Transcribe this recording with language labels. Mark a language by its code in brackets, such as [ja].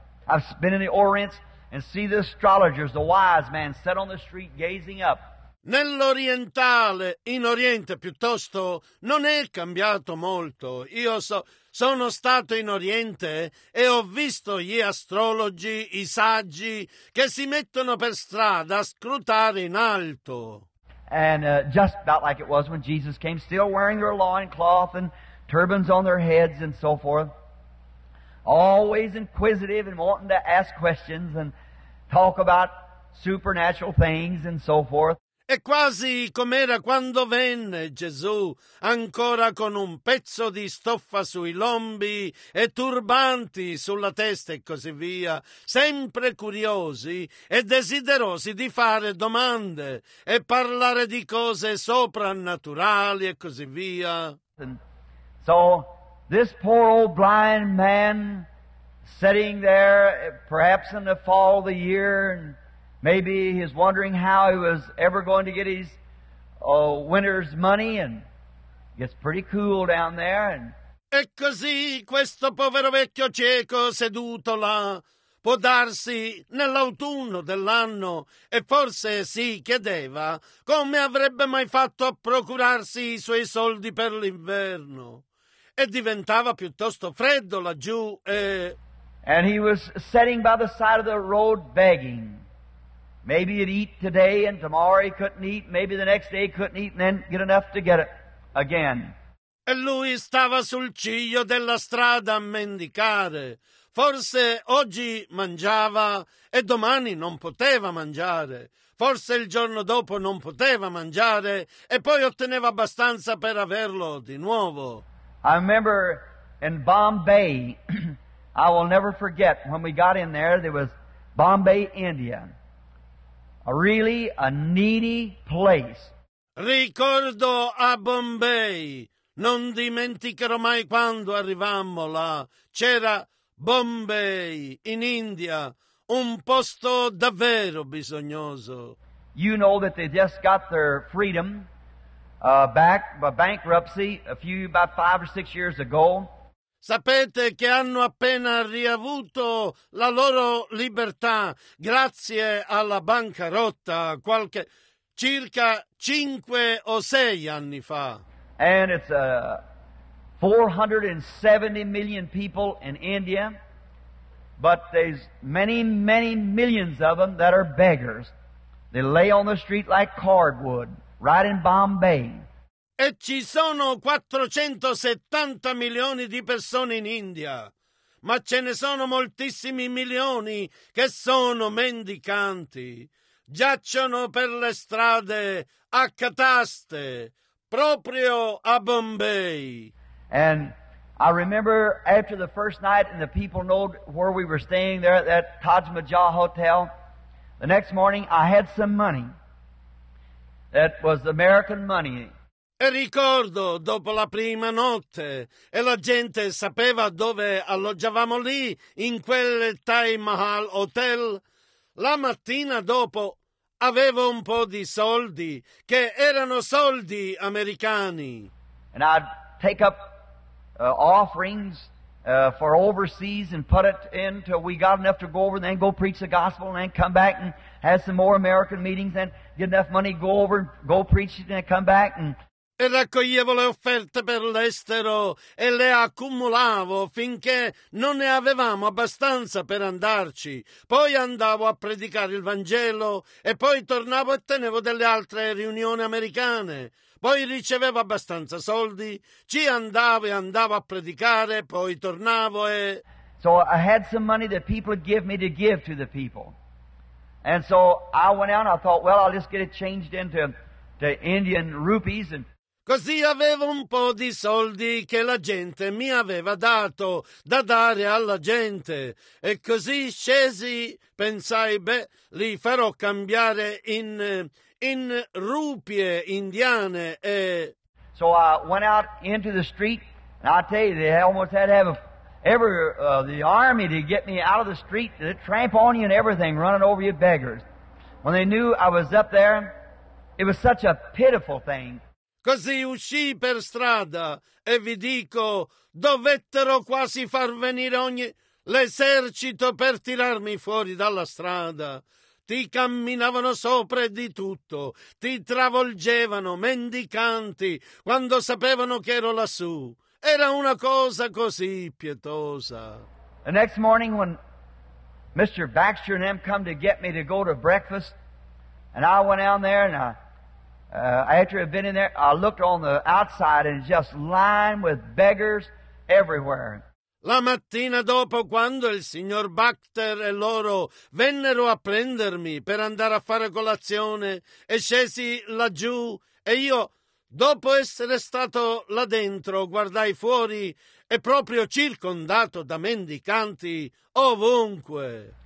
[en] I've been in the Orient and see the astrologers, the wise man, sit on the street gazing up. [it] Nell'orientale, in Oriente piuttosto, non è cambiato molto. Io sono stato in Oriente e ho visto gli astrologi, i saggi, che si mettono per strada a scrutare in alto. [en] And just about like it was when Jesus came, still wearing their loincloth and turbans on their heads and so forth. Always inquisitive and wanting to ask questions and talk about supernatural things and so forth. [it] È quasi com'era quando venne Gesù, ancora con un pezzo di stoffa sui lombi e turbanti sulla testa e così via, sempre curiosi e desiderosi di fare domande e parlare di cose soprannaturali e così via. [en] And so this poor old blind man sitting there, perhaps in the fall of the year, and maybe he's wondering how he was ever going to get his winter's money, and gets pretty cool down there. And [it] e così questo povero vecchio cieco seduto là può darsi nell'autunno dell'anno, e forse si chiedeva come avrebbe mai fatto a procurarsi i suoi soldi per l'inverno. E diventava piuttosto freddo laggiù. [en] And he was sitting by the side of the road begging. Maybe he'd eat today and tomorrow he couldn't eat. Maybe the next day he couldn't eat and then get enough to get it again. [it] E lui stava sul ciglio della strada a mendicare. Forse oggi mangiava e domani non poteva mangiare. Forse il giorno dopo non poteva mangiare e poi otteneva abbastanza per averlo di nuovo. [en] I remember in Bombay, I will never forget, when we got in there was Bombay, India. A really needy place. [it] Ricordo a Bombay. Non dimenticherò mai quando arrivammo là. C'era Bombay in India, un posto davvero bisognoso. [en] You know that they just got their freedom back by bankruptcy about 5 or 6 years ago. [it] Sapete che hanno appena riavuto la loro libertà grazie alla bancarotta circa 5 o 6 anni fa. [en] And it's 470 million people in India, but there's many, many millions of them that are beggars. They lay on the street like cardboard, right in Bombay. [it] E ci sono 470 milioni di persone in India, ma ce ne sono moltissimi milioni che sono mendicanti. Giacciono per le strade a cataste, proprio a Bombay. [en] And I remember after the first night and the people know where we were staying there at that Taj Mahal Hotel, the next morning I had some money that was American money. [it] E ricordo dopo la prima notte e la gente sapeva dove alloggiavamo lì in quel Taj Mahal Hotel, la mattina dopo avevo un po' di soldi che erano soldi americani. [en] And I'd take up offerings for overseas and put it in till we got enough to go over and then go preach the gospel and then come back and have some more American meetings and get enough money, go over and go preach it and come back. And [it] e raccoglievo le offerte per l'estero e le accumulavo finché non ne avevamo abbastanza per andarci. Poi andavo a predicare il Vangelo e poi tornavo e tenevo delle altre riunioni americane. Poi ricevevo abbastanza soldi, ci andavo e andavo a predicare, poi tornavo e... [en] So I had some money that people give me to give to the people. And so I went out and I thought, well, I'll just get it changed into the Indian rupees and... [it] Così avevo un po' di soldi che la gente mi aveva dato da dare alla gente. E così scesi, pensai, beh, li farò cambiare in rupie indiane. E... [en] So I went out into the street, and I tell you, they almost had to have the army to get me out of the street, to tramp on you and everything, running over you beggars. When they knew I was up there, it was such a pitiful thing. [it] Così uscii per strada e vi dico, dovettero quasi far venire ogni l'esercito per tirarmi fuori dalla strada. Ti camminavano sopra di tutto, ti travolgevano, mendicanti, quando sapevano che ero lassù. Era una cosa così pietosa. [en] The next morning when Mr. Baxter and them come to get me to go to breakfast, and I went down there and after I'd been in there, I looked on the outside and just lined with beggars everywhere. [it] La mattina dopo, quando il signor Baxter e loro vennero a prendermi per andare a fare colazione, e scesi laggiù, e io, dopo essere stato là dentro, guardai fuori, e proprio circondato da mendicanti ovunque.